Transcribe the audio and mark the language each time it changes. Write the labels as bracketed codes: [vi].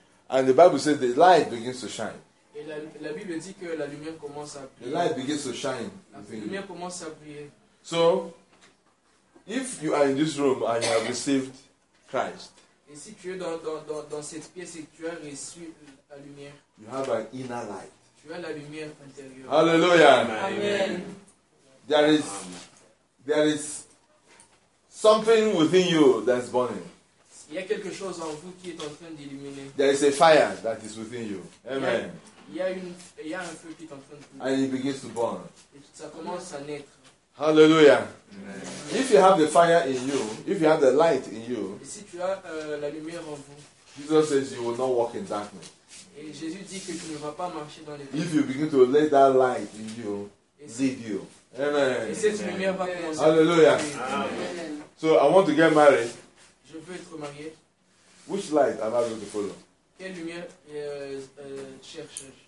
[en] And the Bible says the light begins to shine. [fr] Et la Bible dit que la lumière commence à briller. [en] The light begins to shine. [fr] La lumière commence à briller. [en] So, if you are in this room and you have received Christ, [fr] Et si tu es dans cette pièce et tu as reçu la lumière, [en] you have an inner light. [fr] Tu as la lumière intérieure. [en] Hallelujah. Amen. There is something within you that's burning. [fr] Il y a quelque chose en vous qui est en train d'illuminer. [en] There is a fire that is within you. Amen. [fr] Il y a un feu qui est en train de brûler. [en] And it begins to burn. [fr] Et ça commence à naître. [en] Hallelujah. If you have the fire in you, if you have the light in you, [fr] si tu as, la lumière en vous, [en] Jesus says you will not walk in darkness. [fr] Et Jésus dit que tu ne vas pas marcher dans les ténèbres. [en] If you begin to let that light in you lead you. Amen. [fr] Et cette lumière va commencer. [en] Hallelujah. Amen. So I want to get married. [fr] Je veux être marié. [en] Which light am I going to follow? [fr] Quelle lumière cherche-je?